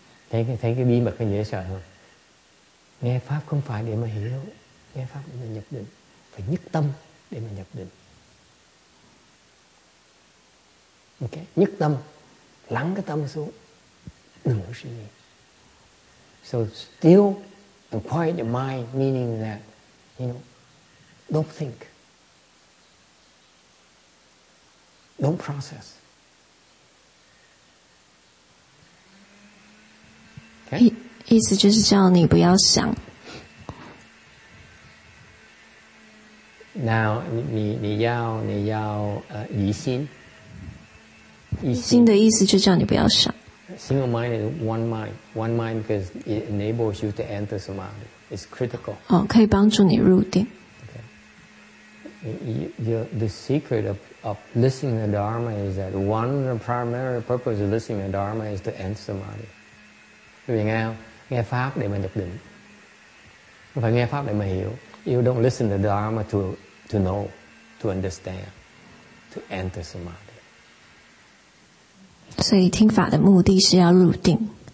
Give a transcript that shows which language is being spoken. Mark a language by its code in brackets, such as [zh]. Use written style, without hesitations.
[vi] Thấy cái bí mật có dễ sợ không? Nghe pháp không phải để mà hiểu, nghe pháp để mà nhập định, phải nhất tâm để mà nhập định. Ok, nhất tâmLắng cái tâm xuống, đừng có suy nghĩ. [en] So still and quiet your mind, meaning that, you know, don't think, don't process. [zh] Okay? 意思就是叫你不要想。 Now, 你要疑心。心的意思就叫你不要想。 [en] Single mind is one mind. One mind because it enables you to enter samadhi. It's critical. [zh] 哦，可以帮助你入定。 [en] Okay. The secret of listening to the Dharma is that one of the primary purpose of listening to the Dharma is to enter samadhi. [vi] Vì nghe pháp để mà nhập định. Phải nghe pháp để mà hiểu. [en] You don't listen to the Dharma to know, to understand, to enter samadhi. [zh] 所以听法的目的是要入定